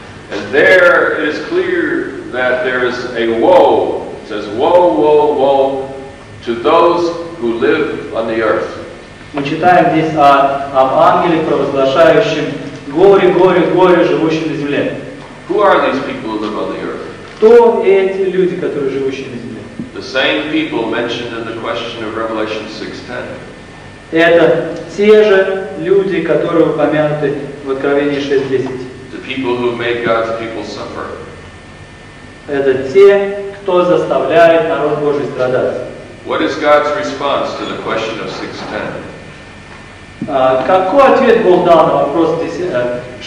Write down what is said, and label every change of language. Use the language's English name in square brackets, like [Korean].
[English] And there it is clear that there is a woe. It says, woe, woe, woe to those who live on the earth. [Russian] Мы читаем здесь об ангеле, провозглашающем горе, горе, горе, живущем на земле. [English] Who are these people who live on the earth? [Russian] Кто эти люди, которые живущие на земле? [English] The same people mentioned in the question of Revelation 6:10. [Russian] Это те же люди, которые упомянуты в Откровении 6:10. [English] The people who make God's people suffer. [Russian] Это те, кто заставляет народ Божий страдать. [English] What is God's response to the question of 6:10? [Russian] Какой ответ был дан на вопрос 6:10?